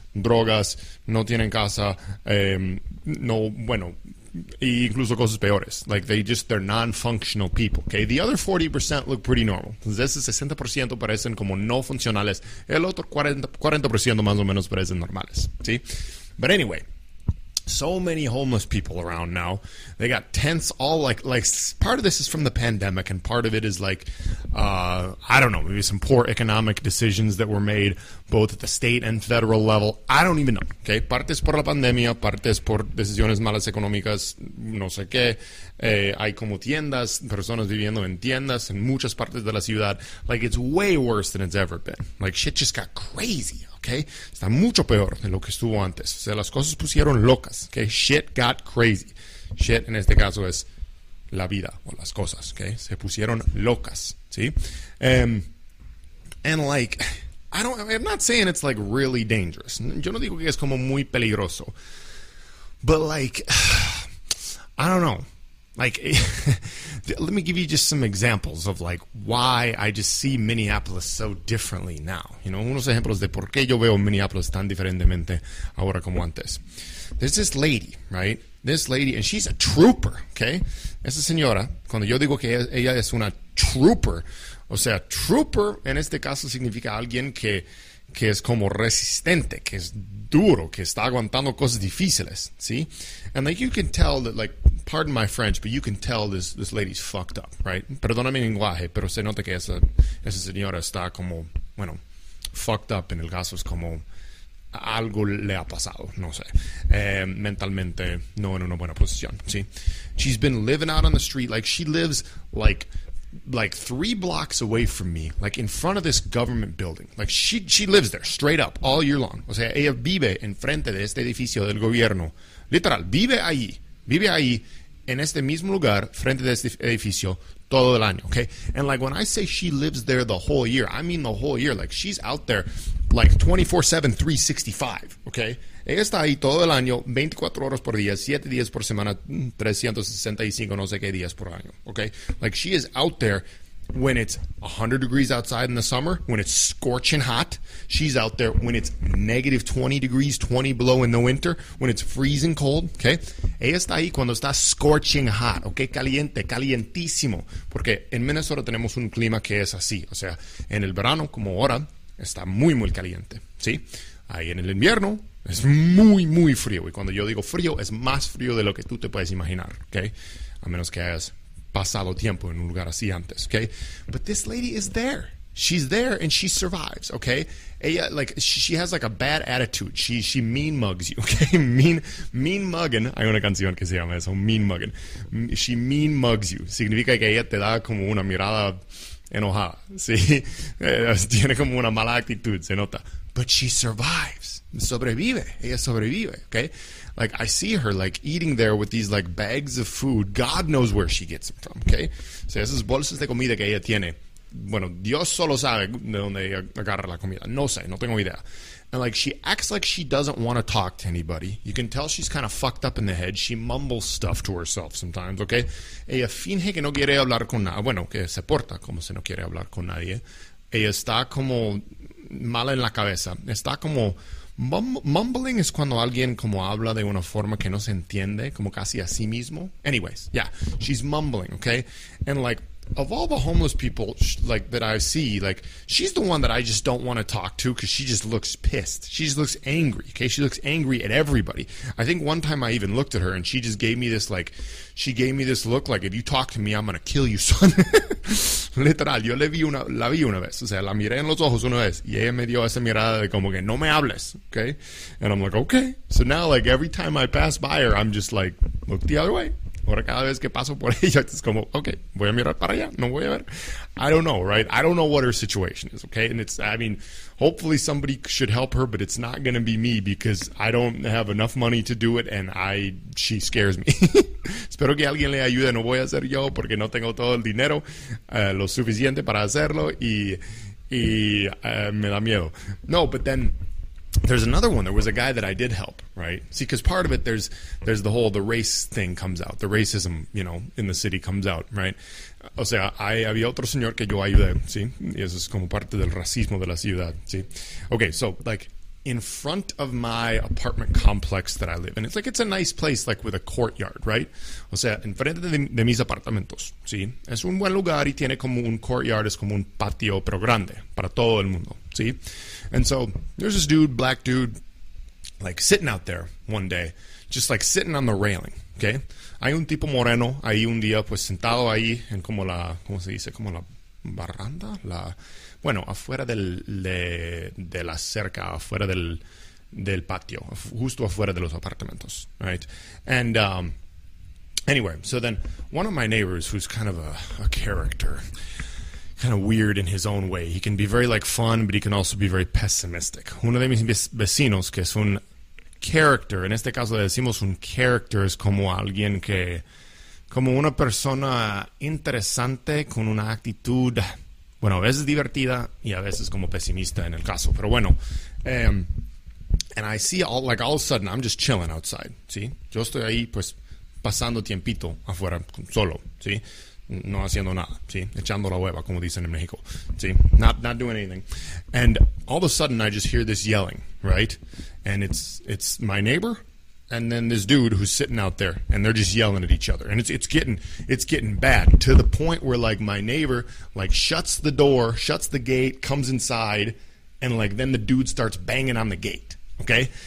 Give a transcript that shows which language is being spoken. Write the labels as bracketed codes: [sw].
[es] Drogas, no tienen casa, no, bueno, e incluso cosas peores. [en] Like, they're non-functional people, okay? The other 40% look pretty normal. [es] Entonces, ese 60% parecen como no funcionales. El otro 40% más o menos parecen normales, ¿sí? [en] But anyway, so many homeless people around now. They got tents all like, part of this is from the pandemic, and part of it is like, I don't know, maybe some poor economic decisions that were made both at the state and federal level. I don't even know, okay? [es] Partes por la pandemia, partes por decisiones malas económicas, no sé qué. Hay como tiendas, personas viviendo en tiendas en muchas partes de la ciudad. [en] Like, it's way worse than it's ever been. Like, shit just got crazy, okay? [es] Está mucho peor de lo que estuvo antes. O sea, las cosas pusieron locas, okay? [en] Shit got crazy. [es] Shit, en este caso, es la vida o las cosas, okay? Se pusieron locas, ¿sí? [en] And like, I'm not saying it's like really dangerous. [es] Yo no digo que es como muy peligroso. [en] But like, I don't know. Like, let me give you just some examples of like why I just see Minneapolis so differently now. You know, [es] unos ejemplos de por qué yo veo Minneapolis tan diferentemente ahora como antes. [en] There's this lady, right? This lady, and she's a trooper, okay? [es] Esa señora, cuando yo digo que ella es una trooper, o sea, trooper en este caso significa alguien que es como resistente, que es duro, que está aguantando cosas difíciles, ¿sí? [en] And like, you can tell that, like, pardon my French, but you can tell this lady's fucked up, right? [es] Perdóname mi lenguaje, pero se nota que esa señora está como, bueno, fucked up, en el caso es como algo le ha pasado, no sé. Mentalmente, no en una buena posición, ¿sí? [en] She's been living out on the street. Like, she lives like three blocks away from me, like in front of this government building. Like, she lives there straight up all year long. [es] O sea, ella vive en frente de este edificio del gobierno. Literal, vive ahí. Vive ahí en este mismo lugar, frente de este edificio, todo el año, okay? [en] And like, when I say she lives there the whole year, I mean the whole year. Like, she's out there like 24/7, 365, okay? [es] Ella está ahí todo el año, 24 horas por día, 7 días por semana, 365 no sé qué días por año, okay? [en] Like, she is out there when it's 100 degrees outside in the summer, when it's scorching hot. She's out there when it's negative 20 degrees, 20 below in the winter, when it's freezing cold, okay? [es] Ella está ahí cuando está [en] scorching hot, [es] okay? Caliente, calientísimo. Porque en Minnesota tenemos un clima que es así. O sea, en el verano, como ahora, está muy, muy caliente, ¿sí? Ahí en el invierno, es muy, muy frío. Y cuando yo digo frío, es más frío de lo que tú te puedes imaginar, okay? A menos que hayas pasado tiempo en un lugar así antes, okay? [en] But this lady is there. She's there and she survives, okay? [es] Ella, [en] like, she has like a bad attitude. She mean mugs you, okay? Mean mugging. [es] Hay una canción que se llama eso, mean mugging. [en] She mean mugs you. [es] Significa que ella te da como una mirada enojada, ¿sí? Tiene como una mala actitud, se nota. [en] But she survives. [es] Sobrevive. Ella sobrevive, okay? [en] Like, I see her, like, eating there with these, like, bags of food. God knows where she gets them from, okay? [es] O sea, esas bolsas de comida que ella tiene. Bueno, Dios solo sabe de dónde ella agarra la comida. No sé, no tengo idea. [en] And, like, she acts like she doesn't want to talk to anybody. You can tell she's kind of fucked up in the head. She mumbles stuff to herself sometimes, okay? [es] Ella finge que no quiere hablar con nadie. Bueno, que se porta como si no quiere hablar con nadie. Ella está como mala en la cabeza. Está como mumbling is cuando alguien como habla de una forma que no se entiende, como casi a sí mismo. [en] Anyways, yeah, she's mumbling, okay? And like, of all the homeless people like that I see, like, she's the one that I just don't want to talk to because she just looks pissed. She just looks angry, okay? She looks angry at everybody. I think one time I even looked at her and she just gave me this, like, she gave me this look like, if you talk to me, I'm going to kill you, son. [es] Literal, yo la vi una vez, o sea, la miré en los ojos una vez, y ella me dio esa mirada de como que no me hables, okay? [en] And I'm like, okay. So now, like, every time I pass by her, I'm just like, look the other way. [es] Ahora cada vez que paso por ella, es como, okay, voy a mirar para allá, no voy a ver. [en] I don't know, right? I don't know what her situation is, okay? And it's, I mean, hopefully somebody should help her, but it's not going to be me because I don't have enough money to do it, and she scares me. [es] Espero que alguien le ayude. No voy a ser yo porque no tengo todo el dinero lo suficiente para hacerlo y me da miedo. [en] No, but then there's another one. There was a guy that I did help, right? See, because part of it, there's the whole, the race thing comes out. The racism, you know, in the city comes out, right? [es] O sea, había otro señor que yo ayudé, ¿sí? Y eso es como parte del racismo de la ciudad, ¿sí? [en] Okay, so, like, in front of my apartment complex that I live in, it's like, it's a nice place, like, with a courtyard, right? [es] O sea, en frente de mis apartamentos, ¿sí? Es un buen lugar y tiene como un courtyard, es como un patio, pero grande, para todo el mundo, ¿sí? [en] And so, there's this dude, black dude, like, sitting out there one day, just, like, sitting on the railing, okay? [es] Hay un tipo moreno ahí un día, pues, sentado ahí en como la, ¿cómo se dice? Como la baranda, la, bueno, afuera de la cerca, afuera del patio, justo afuera de los apartamentos, right? [en] And anyway, so then one of my neighbors, who's kind of a character, kind of weird in his own way, he can be very, like, fun, but he can also be very pessimistic. [es] Uno de mis vecinos, que es un character, en este caso le decimos un character, es como alguien que, como una persona interesante con una actitud, bueno, a veces divertida y a veces como pesimista en el caso. Pero bueno, [en] and I see all, like, all of a sudden, I'm just chilling outside, ¿sí? [es] Yo estoy ahí, pues, pasando tiempito afuera, solo, ¿sí? No haciendo nada, ¿sí? Echando la hueva, como dicen en México, ¿sí? [en] Not doing anything. And all of a sudden, I just hear this yelling, right? And it's my neighbor. And then this dude who's sitting out there, and they're just yelling at each other. And it's getting bad to the point where, like, my neighbor, like, shuts the door, shuts the gate, comes inside, and, like, then the dude starts banging on the gate, okay?